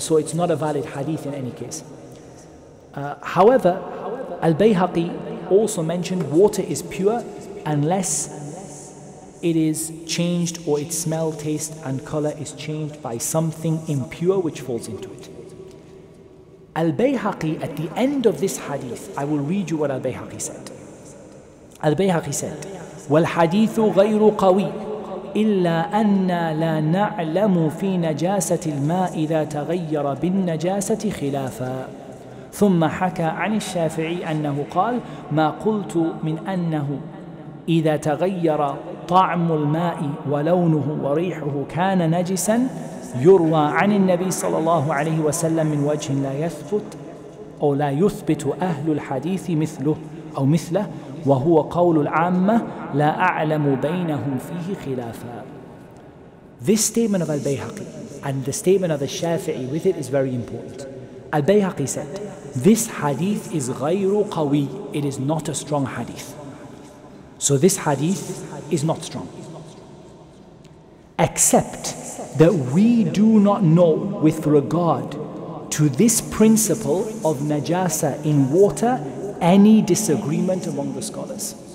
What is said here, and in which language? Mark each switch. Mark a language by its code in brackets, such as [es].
[en] So it's not a valid hadith in any case. However, Al-Bayhaqi also mentioned water is pure unless it is changed or its smell, taste and color is changed by something impure which falls into it. Al-Bayhaqi, at the end of this hadith, I will read you what Al-Bayhaqi said. Al-Bayhaqi said, [ar] وَالْحَدِيثُ غَيْرُ قَوِيٍّ إِلَّا أَنَّا لَا نَعْلَمُ فِي نَجَاسَةِ الْمَاءِ إِذَا تَغَيَّرَ بِالنَّجَاسَةِ خِلَافًا ثُمَّ حَكَى عَنِ الشَّافِعِ أَنَّهُ قَالَ مَا قُلْتُ مِنْ أَنَّهُ إِذَا تَغَيَّرَ طَعْمُ الْمَاءِ وَلَوْنُهُ وَرِيحُهُ كَانَ نَجِسًا يروى عن النبي صلى الله عليه وسلم من وجه لا يثبت أو لا يثبت أهل الحديث مثله أو مثله وهو قول العامة لا أعلم بينهم فيه خلافا. [en] This statement of Al-Bayhaqi and the statement of Al-Shafi'i with it is very important. Al-Bayhaqi said, this hadith is [ar] غير قوي. [en] It is not a strong hadith. So this hadith is not strong. Except that we do not know with regard to this principle of najasa in water any disagreement among the scholars.